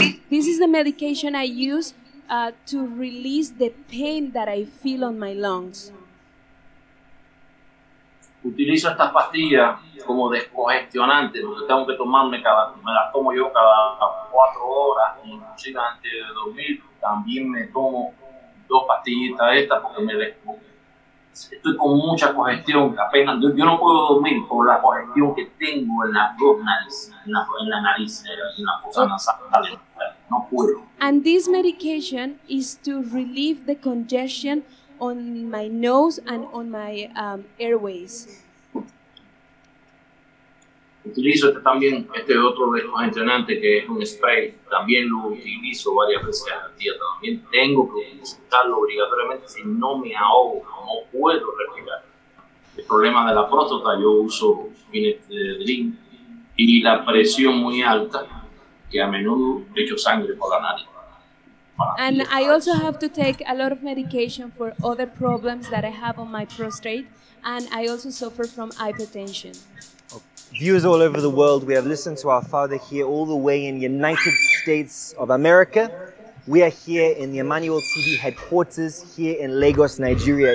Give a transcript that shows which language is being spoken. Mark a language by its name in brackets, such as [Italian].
[English] This is the medication I use to release the pain that I feel on my lungs. [Spanish] Utilizo estas pastillas como descongestionante, porque tengo que tomarme cada, me las tomo yo cada 4 horas, inclusive antes de dormir. También me tomo 2 pastillitas estas porque me descongestiono. Estoy con mucha congestión, apenas, yo no puedo dormir por la congestión que tengo en las dos narices, en la nariz, en la fosa nasal. No puedo. [English] And this medication is to relieve the congestion on my nose and on my airways. [Spanish] Utilizo este también, este otro descongestionante que es un spray, también lo utilizo varias veces al día, también tengo que utilizarlo obligatoriamente, si no me ahogo, no puedo respirar. El problema de la próstata, yo uso Vinedrin y la presión muy alta, que a menudo echo sangre por la nariz. [English] And I also have to take a lot of medication for other problems that I have on my prostate, and I also suffer from hypertension. Viewers all over the world, we have listened to our father here all the way in United States of America. We are here in the Emmanuel TV headquarters here in Lagos, Nigeria.